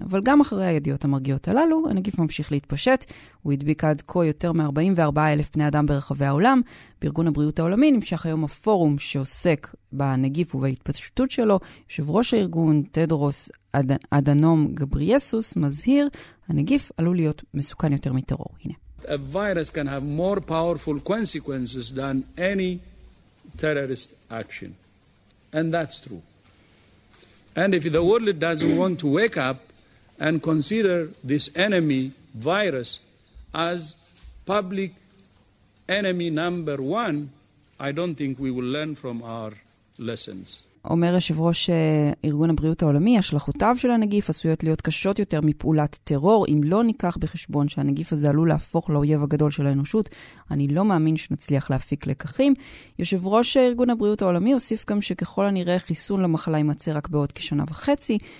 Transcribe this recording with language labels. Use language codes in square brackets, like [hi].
[he] אבל גם אחרי הידיעות המרגיעות הללו, הנגיף ממשיך להתפשט, הוא הדביק עד כה יותר מ-44,000 בני אדם ברחבי העולם. בארגון הבריאות העולמי נמשך היום הפורום שעוסק בנגיף ובהתפשטות שלו. יושב ראש הארגון טדרוס אדנום גבריאסוס מזהיר, הנגיף עלול להיות מסוכן יותר מטרור. הנה. [en] A virus can have more powerful consequences than any terrorist action. And that's true. And if the world doesn't want to wake up and consider this enemy virus as public enemy number one, I don't think we will learn from our lessons. [he] אומר יושב ראש ארגון הבריאות העולמי, השלכותיו של הנגיף עשויות להיות קשות יותר מפעולת טרור, אם לא ניקח בחשבון שהנגיף הזה עלול להפוך לאויב הגדול של האנושות, אני לא מאמין שנצליח להפיק לקחים. יושב ראש ארגון הבריאות העולמי הוסיף גם שככל הנראה חיסון למחלה יימצא רק בעוד כשנה וחצי.